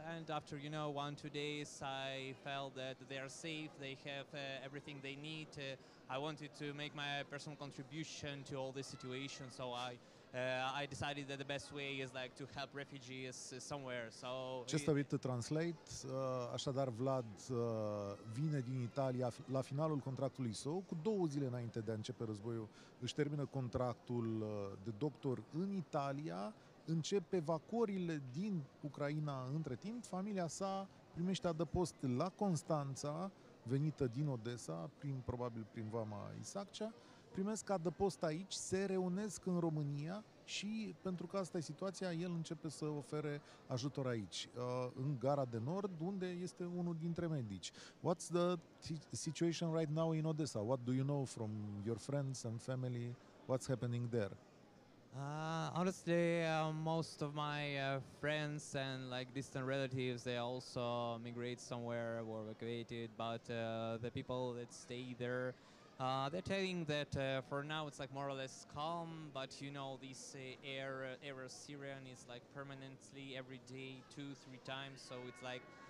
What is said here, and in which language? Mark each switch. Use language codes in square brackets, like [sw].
[en] And after 1-2 days, I felt that they are safe. They have everything they need. I wanted to make my personal contribution to all this situation. So I decided that the best way is like to help refugees somewhere. So just a bit to translate. [ro] Așadar, Vlad vine din Italia la finalul contractului său, cu 2 zile înainte de a începe războiul, își termină contractul de doctor în Italia, începe evacuările din Ucraina între timp, familia sa primește adăpost la Constanța, venită din Odessa, probabil prin vama Isaccea, primesc adăpost aici, se reunesc în România, și pentru că asta e situația, el începe să ofere ajutor aici, în Gara de Nord, unde este unul dintre medici. [en] What's the situation right now in Odessa? What do you know from your friends and family? What's happening there? Honestly, most of my friends and like distant relatives, they also migrate somewhere or evacuated, but the people that stay there, they're telling that for now it's like more or less calm, but you know, this air siren is like permanently every day, 2-3 times, so it's like